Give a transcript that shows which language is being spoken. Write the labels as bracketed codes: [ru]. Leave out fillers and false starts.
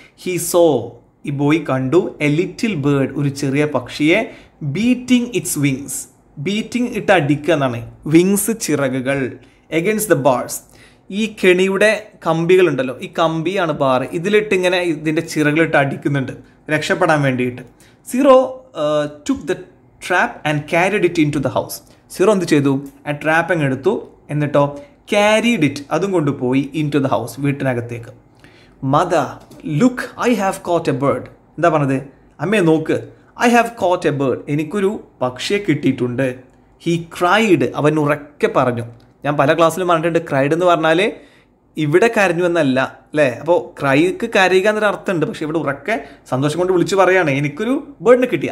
[en] he saw, [ml] ഈ boy കണ്ടു, [en] a little bird, [ml] ഒരു ചെറിയ പക്ഷിയെ, [en] beating its wings, [ml] ബീറ്റിംഗ് ഇട്ട് അടിക്കുക എന്നാണ്, വിങ്സ് ചിറകുകൾ, [en] against the bars, [ml] ഈ കെണിയുടെ കമ്പികളുണ്ടല്ലോ, ഈ കമ്പിയാണ് ബാർ, ഇതിലിട്ട് ഇങ്ങനെ ഇതിൻ്റെ ചിറകളിട്ട് അടിക്കുന്നുണ്ട് രക്ഷപ്പെടാൻ വേണ്ടിയിട്ട്. [en] Zero took the trap and carried it into the house. [ml] Zero എന്ത് ചെയ്തു? ആ ട്രാപ്പ് അങ്ങ് എടുത്തു, എന്നിട്ടോ [en] carried it, [ml] അതും കൊണ്ടുപോയി [en] into the house, [ml] വീട്ടിനകത്തേക്ക്. [en] Mother, look, I have caught a bird. [ml] എന്താ പറഞ്ഞത്? അമ്മയെ നോക്ക്, [en] I have caught a bird, [ml] എനിക്കൊരു പക്ഷിയെ കിട്ടിയിട്ടുണ്ട്. [en] He cried, [ml] അവൻ ഉറക്കെ പറഞ്ഞു. ഞാൻ പല ക്ലാസ്സിലും പറഞ്ഞിട്ടുണ്ട്, cried എന്ന് പറഞ്ഞാൽ ഇവിടെ കരഞ്ഞു എന്നല്ല അല്ലേ, അപ്പോൾ ക്രൈക്ക് കരയുക എന്നൊരു അർത്ഥമുണ്ട്, പക്ഷേ ഇവിടെ ഉറക്കെ സന്തോഷം കൊണ്ട് വിളിച്ച് പറയുകയാണ്, എനിക്കൊരു ബേർഡിന് കിട്ടി.